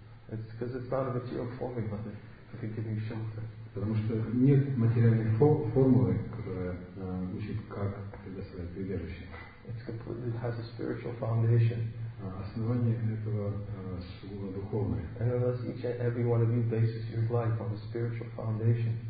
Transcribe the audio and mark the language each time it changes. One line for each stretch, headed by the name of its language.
English: It's because it's not a material formula that can give you shelter.
Russian: Потому что нет материальной формулы, которая учит, как предоставить прибежище.
English: It's completely, it has a spiritual foundation.
Russian: Основание этого сугубо духовное.
English: And unless each and every one of you bases your life on a spiritual foundation,